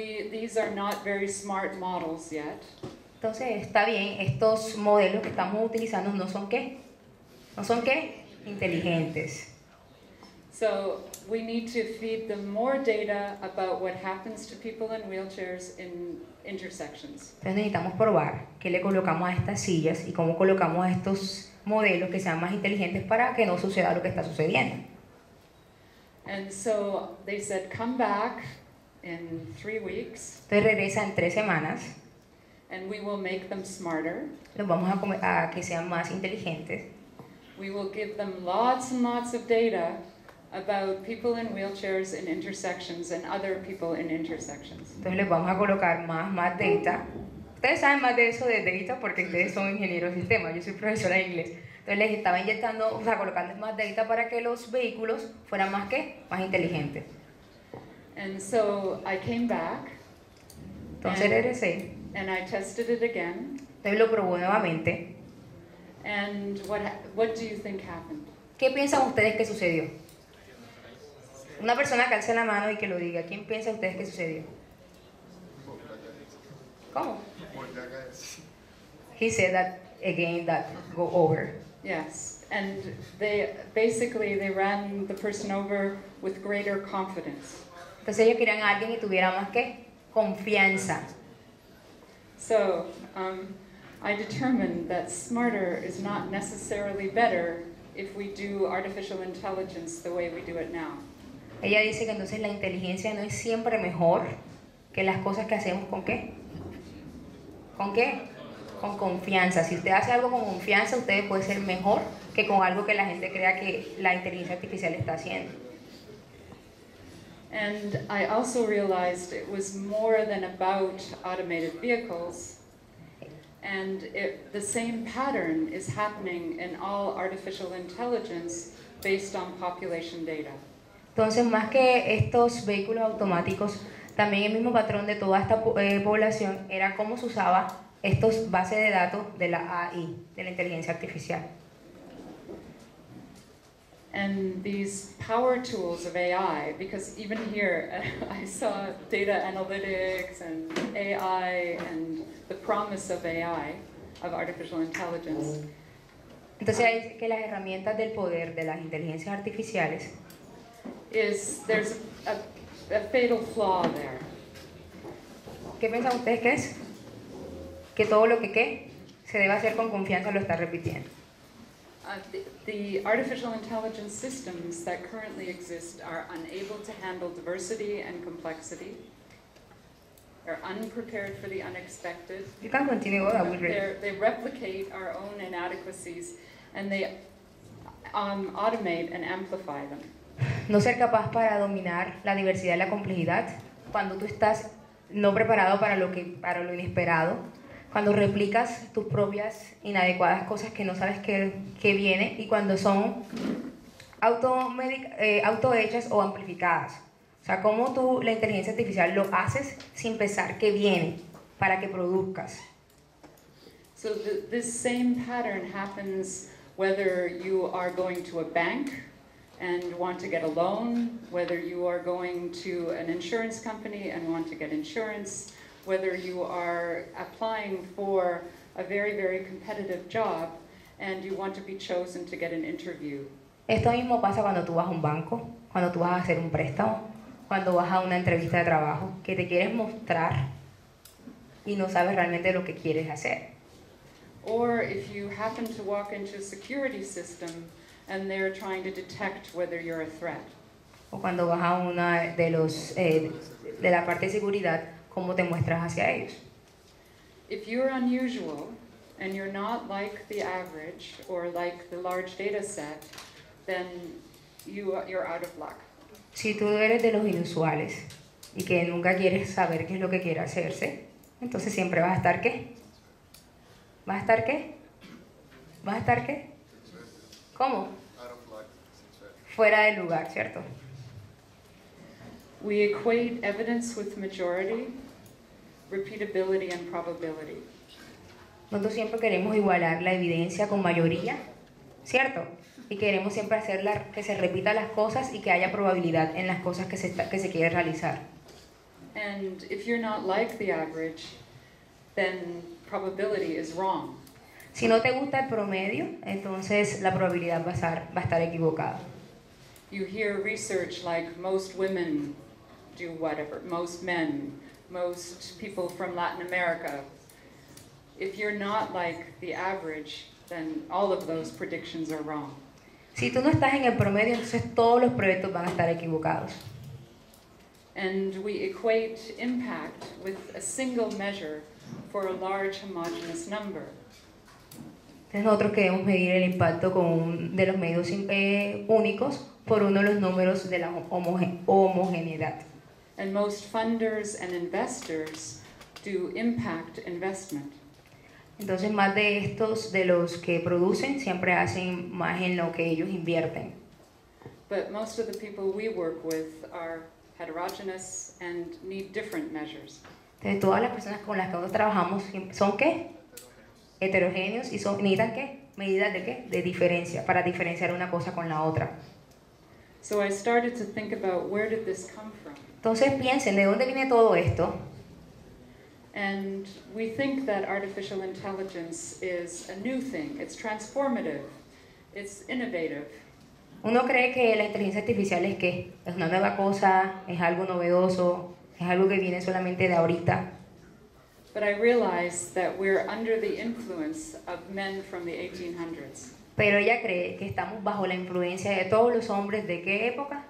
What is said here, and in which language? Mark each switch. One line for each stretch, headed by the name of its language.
English: These are not very smart models yet."
Spanish: Entonces, está bien, estos modelos que estamos utilizando no son qué? ¿No son qué? Inteligentes.
English: So, we need to feed them more data about what happens to people in wheelchairs in intersections.
Spanish: Entonces, necesitamos probar qué le colocamos a estas sillas y cómo colocamos a estos modelos que sean más inteligentes para que no suceda lo que está sucediendo.
English: And so, they said, "Come back in 3 weeks."
Spanish: Entonces regresa en 3 semanas.
English: And we will make them smarter.
Spanish: Los vamos a que sean más inteligentes.
English: We will give them lots and lots of data about people in wheelchairs in intersections and other people in intersections.
Spanish: Entonces les vamos a colocar más data. Ustedes saben más de eso de data porque ustedes son ingenieros de sistemas. Yo soy profesora de inglés. Entonces les estaba inyectando, o sea, colocando más data para que los vehículos fueran más que más inteligentes.
English: And so I came back.
Spanish: Entonces regresé.
English: And I tested it again.
Spanish: Entonces lo probó nuevamente.
English: And what do you think happened?
Spanish: ¿Qué piensan ustedes que sucedió? Una persona que alce la mano y que lo diga. ¿Quién piensa ustedes que sucedió? ¿Cómo?
English: He said that again, that go over. Yes. And they ran the person over with greater confidence.
Spanish: Entonces ellos querían a alguien que tuviera más que confianza.
English: So, I determined that smarter is not necessarily better if we do artificial intelligence the way we do it now.
Spanish: Ella dice que entonces la inteligencia no es siempre mejor que las cosas que hacemos con qué. ¿Con qué? Con confianza. Si usted hace algo con confianza, usted puede ser mejor que con algo que la gente crea que la inteligencia artificial está haciendo.
English: And I also realized it was more than about automated vehicles. And the same pattern is happening in all artificial intelligence based on population data.
Spanish: Entonces, más que estos vehículos automáticos, también el mismo patrón de toda esta población era cómo se usaba estos bases de datos de la AI, de la inteligencia artificial.
English: And these power tools of AI, because even here I saw data analytics and AI and the promise of AI, of artificial intelligence.
Spanish: Entonces hay que las herramientas del poder de las inteligencias artificiales.
English: Is there's a fatal flaw there?
Spanish: ¿Qué piensan ustedes que es? Que todo lo que qué se debe hacer con confianza lo está repitiendo.
English: The artificial intelligence systems that currently exist are unable to handle diversity and complexity. They're unprepared for the unexpected. You can continue. They replicate our own inadequacies, and they automate and amplify them.
Spanish: No ser capaz para dominar la diversidad y la complejidad cuando tú estás no preparado para lo que para lo inesperado. Cuando replicas tus propias inadecuadas cosas que no sabes qué viene y cuando son auto-hechas o amplificadas. O sea, cómo tú la inteligencia artificial lo haces sin pensar qué viene para que produzcas.
English: So this same pattern happens whether you are going to a bank and want to get a loan, whether you are going to an insurance company and want to get insurance, whether you are applying for a very, very competitive job and you want to be chosen to get an interview.
Spanish: Esto mismo pasa cuando tú vas a un banco, cuando tú vas a hacer un préstamo, cuando vas a una entrevista de trabajo, que te quieres mostrar y no sabes realmente lo que quieres hacer.
English: Or if you happen to walk into a security system and they're trying to detect whether you're a threat.
Spanish: O cuando vas a una de los de la parte de seguridad, ¿cómo te muestras hacia ellos?
English: If you're unusual and you're not like the average or like the large data set, then you're out of luck.
Spanish: Si tú eres de los inusuales y que nunca quieres saber qué es lo que quiere hacerse, entonces siempre vas a estar ¿qué? ¿Vas a estar qué? ¿Vas a estar qué? ¿Cómo?
English: Out of luck.
Spanish: Fuera de lugar, ¿cierto?
English: We equate evidence with majority, repeatability and probability.
Spanish: Nosotros siempre queremos igualar la evidencia con mayoría, ¿cierto? Y queremos siempre hacer que se repita las cosas y que haya probabilidad en las cosas que se quiere realizar.
English: And if you're not like the average, then probability is wrong.
Spanish: Si no te gusta el promedio, entonces la probabilidad va a estar equivocada.
English: You hear research like most women do whatever, most men, most people from Latin America. If you're not like the average, then all of those predictions are wrong.
Spanish: Si tú no estás en el promedio, entonces todos los proyectos van a estar equivocados.
English: And we equate impact with a single measure for a large homogeneous number.
Spanish: Entonces nosotros queremos medir el impacto con de los medios únicos por uno de los números de la homogeneidad.
English: And most funders and investors do impact investment.
Spanish: Entonces más de estos de los que producen siempre hacen más en lo que ellos invierten.
English: But most of the people we work with are heterogeneous and need different measures.
Spanish: Entonces todas las personas con las que nosotros trabajamos son ¿qué? Heterogéneos y son ¿necesitan qué? Medidas de ¿qué? De diferencia, para diferenciar una cosa con la otra.
English: So I started to think about where did this come from?
Spanish: Entonces piensen, ¿de dónde viene todo esto?
English: And we think that artificial intelligence is a new thing. It's transformative. It's innovative.
Spanish: Uno cree que la inteligencia artificial es ¿qué? Es una nueva cosa, es algo novedoso, es algo que viene solamente de ahorita.
English: But I realize that we're under the influence of men from the 1800s.
Spanish: Pero ella cree que estamos bajo la influencia de todos los hombres ¿de qué época?